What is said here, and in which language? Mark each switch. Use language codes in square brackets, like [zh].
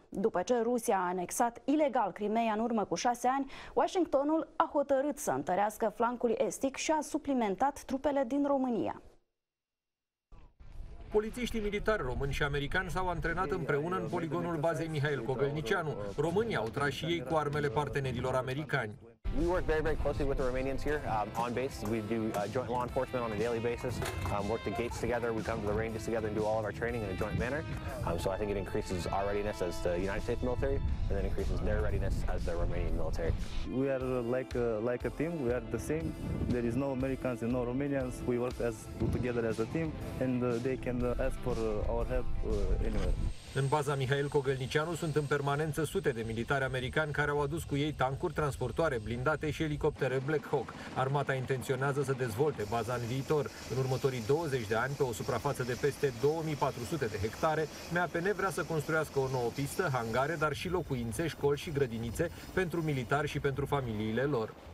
[ro] După ce Rusia a anexat ilegal Crimeea în urmă cu 6 ani, Washingtonul a hotărât să întărească flancul estic și a suplimentat trupele din România. Polițiștii militari români și americani s-au antrenat împreună în poligonul bazei Mihail Cogălnicianu. Românii au tras și ei cu armele partenerilor americani. [en] We work very, very closely with the Romanians here on base. We do joint law enforcement on a daily basis. Work the gates together. We come to the ranges together and do all of our training in a joint manner. So I think it increases our readiness as the United States military, and then increases their readiness as the Romanian military. We are like a team. We are the same. There is no Americans and no Romanians. We work as together as a team, and they can ask for our help anywhere. [ro] În baza Mihail Cogălnicianu sunt în permanență sute de militari americani care au adus cu ei tancuri, transportoare, blindate și elicoptere Black Hawk. Armata intenționează să dezvolte baza în viitor. În următorii 20 de ani, pe o suprafață de peste 2400 de hectare, MAPN vrea să construiască o nouă pistă, hangare, dar și locuințe, școli și grădinițe pentru militari și pentru familiile lor.